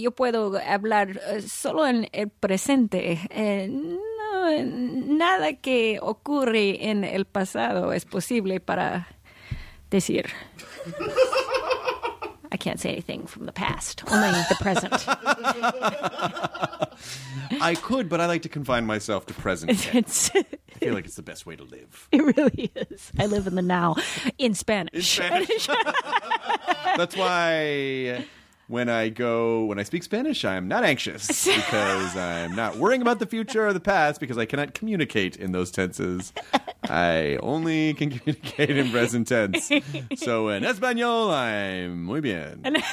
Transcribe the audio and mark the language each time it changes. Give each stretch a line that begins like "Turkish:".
Spanish: Yo puedo hablar solo en el presente. No, nada que ocurre en el pasado es posible para decir.
English: I can't say anything from the past, only the present. I could, but I like to confine myself to present. I feel like it's the best way to live. It really is. I live in the now in Spanish. In Spanish. That's why when I speak Spanish, I'm not anxious because I'm not worrying about the future or the past because I cannot communicate in those tenses. I only can communicate in present tense. So in Espanol, I'm
Spanish: muy bien.